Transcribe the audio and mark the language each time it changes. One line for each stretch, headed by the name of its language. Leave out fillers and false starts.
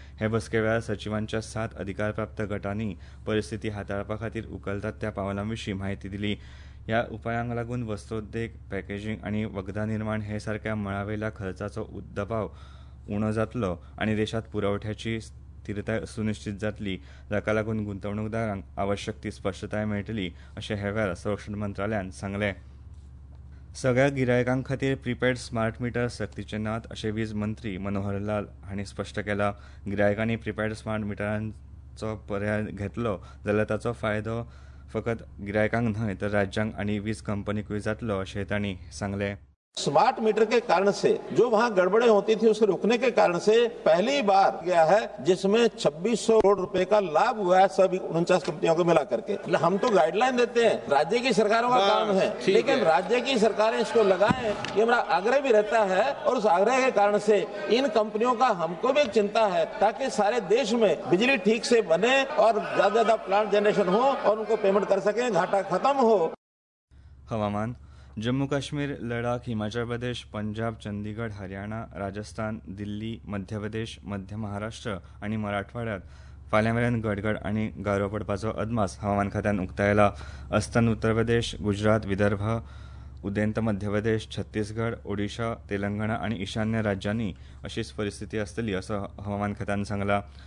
Goan Konkani: हे बसके वेळार सचिवांच्या 7 अधिकारप्राप्त गटांनी परिस्थिती हाताळपा खातीर उकलतात त्या पावलांविशीं म्हायती दिली। ह्या उपायांक लागून वस्त्रोद्देग, पॅकेजींग आनी वखदां निर्माण हे सारक्या मळावेल्या खर्चाचो दबाव उणो जातलो आनी देशांत पुरवठ्याची स्थिरताय सुनिश्चित जातली। जाका लागून गुंतवणूकदारांक आवश्यक ती स्पश्टताय मेळटली अशें हे वेळार संरक्षण मंत्रालयान सांगले। सगळ्या गिरायकां खातीर प्रिपेड स्मार्ट मिटर सक्तीचे नात अशें वीज मंत्री मनोहरलाल हांणी स्पश्ट केला। गिरायकांनी प्रिपेड स्मार्ट मिटरांचो पर्याय घेतलो जाल्यार ताचो फायदो फकत गिरायकांक न्हय तर राज्यांक आनी वीज कंपनीकूय जातलो अशें तांणी सांगले।
Hindi: स्मार्ट मीटर के कारण से जो वहां गड़बड़े होती थी उसे रोकने के कारण से पहली बार गया है जिसमें 2600 करोड़ रुपए का लाभ हुआ है सभी 49 कंपनियों को मिला करके। हम तो गाइडलाइन देते हैं, राज्य की सरकारों का काम है, लेकिन राज्य की सरकारें इसको लगाए ये हमारा आग्रह भी रहता है और उस आग्रह के कारण से इन कंपनियों का हमको भी चिंता है ताकि सारे देश में बिजली ठीक से बने और ज्यादा ज्यादा प्लांट जनरेशन हो और उनको पेमेंट कर सके, घाटा खत्म हो।
Goan Konkani: हवामान। जम्मू काश्मीर, लडाख, हिमाचल प्रदेश, पंजाब, चंदीगढ, हरियाणा, राजस्थान, दिल्ली, मध्य प्रदेश, मध्य महाराष्ट्र आणि मराठवाड्यात फाल्यां मेरेन गडगड आणि गारो पडपाचो अदमास हवामान खात्यान उक्तायला। अस्तंत उत्तर प्रदेश, गुजरात, विदर्भ, उदेंत मध्य प्रदेश, छत्तीसगड, ओडिशा, तेलंगणा आणि ईशान्य राज्यांनी अशीच परिस्थिती असतली असं हवामान खात्यान सांगला।